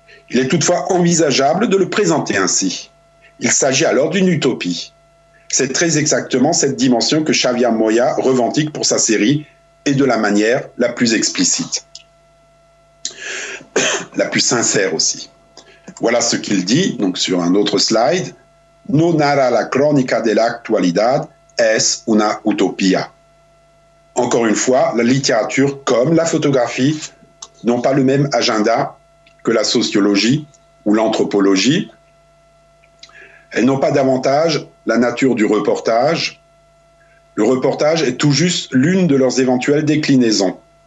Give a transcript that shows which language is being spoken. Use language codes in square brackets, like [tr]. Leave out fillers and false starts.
[fr] Il est toutefois envisageable de le présenter ainsi. Il s'agit alors d'une utopie. C'est très exactement cette dimension que Xavier Moya revendique pour sa série et de la manière la plus explicite. La plus sincère aussi. Voilà ce qu'il dit, donc sur un autre slide. [es] No narra la crónica de l'actualidad, es una utopía. [fr] Encore une fois, la littérature comme la photographie n'ont pas le même agenda que la sociologie ou l'anthropologie. Elles n'ont pas davantage la nature du reportage. Le reportage est tout juste l'une de leurs éventuelles déclinaisons.